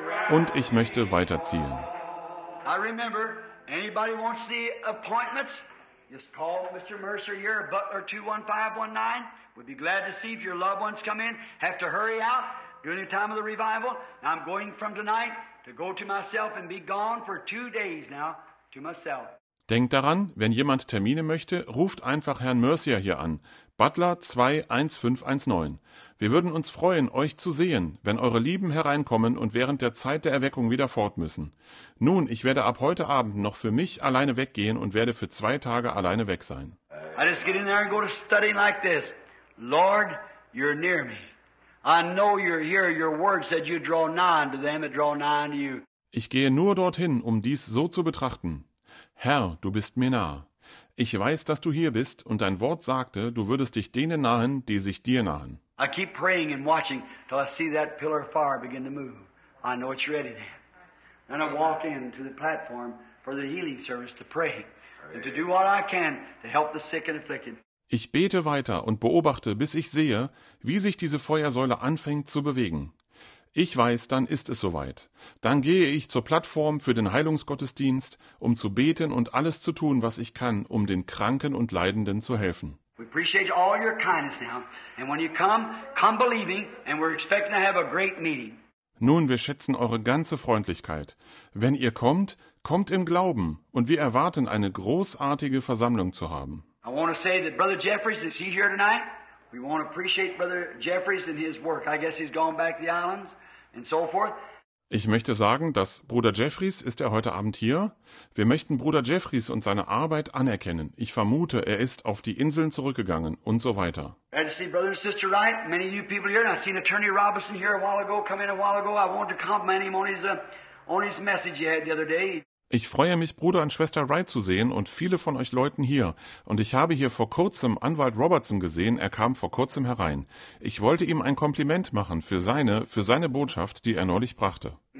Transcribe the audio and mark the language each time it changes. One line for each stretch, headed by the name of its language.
German: Und ich möchte weiterziehen.
English: I remember, anybody wants the appointments, just call Mr. Mercer here, Butler 21519. We'd be glad to see if your loved ones come in. Have to hurry out during the time of the revival. I'm going from tonight to go to myself and be gone for 2 days now to myself.
German: Denkt daran, wenn jemand Termine möchte, ruft einfach Herrn Mercer hier an. Butler 21519. Wir würden uns freuen, euch zu sehen, wenn eure Lieben hereinkommen und während der Zeit der Erweckung wieder fort müssen. Nun, ich werde ab heute Abend noch für mich alleine weggehen und werde für 2 Tage alleine weg sein.
English: I just get in there and go to study like this. Lord, you're near me. I know you're here. Your word said you draw nigh unto them that draw nigh unto you.
German: Ich gehe nur dorthin, um dies so zu betrachten. Herr, du bist mir nah. Ich weiß, dass du hier bist, und dein Wort sagte, du würdest dich denen nahen, die sich dir nahen.
English: I keep praying and watching till I see that pillar of fire begin to move. I know it's ready then. Then I walk in to the platform for the healing service to pray and to do what I can to help the sick and afflicted.
German: Ich bete weiter und beobachte, bis ich sehe, wie sich diese Feuersäule anfängt zu bewegen. Ich weiß, dann ist es soweit. Dann gehe ich zur Plattform für den Heilungsgottesdienst, um zu beten und alles zu tun, was ich kann, um den Kranken und Leidenden zu helfen.
English: We appreciate all your kindness now. And when you come, come believing, and we're expecting to have a great meeting.
German: Nun, wir schätzen eure ganze Freundlichkeit. Wenn ihr kommt, kommt im Glauben, und wir erwarten, eine großartige Versammlung zu haben.
English: I want to say that Brother Jeffries, is he here tonight? We want to appreciate Brother Jeffries and his work. I guess he's gone back to the islands and so forth.
German: Ich möchte sagen, dass Bruder Jeffries, ist er heute Abend hier? Wir möchten Bruder Jeffries und seine Arbeit anerkennen. Ich vermute, er ist auf die Inseln zurückgegangen und so weiter.
English: Majesty, Brother and Sister Wright, many new people here. And I seen Attorney Robinson here a while ago, come in a while ago. I wanted to compliment him on his message he had the other day.
German: Ich freue mich, Bruder und Schwester Wright zu sehen und viele von euch Leuten hier. Und ich habe hier vor kurzem Anwalt Robertson gesehen, er kam vor kurzem herein. Ich wollte ihm ein Kompliment machen für seine Botschaft, die er neulich brachte.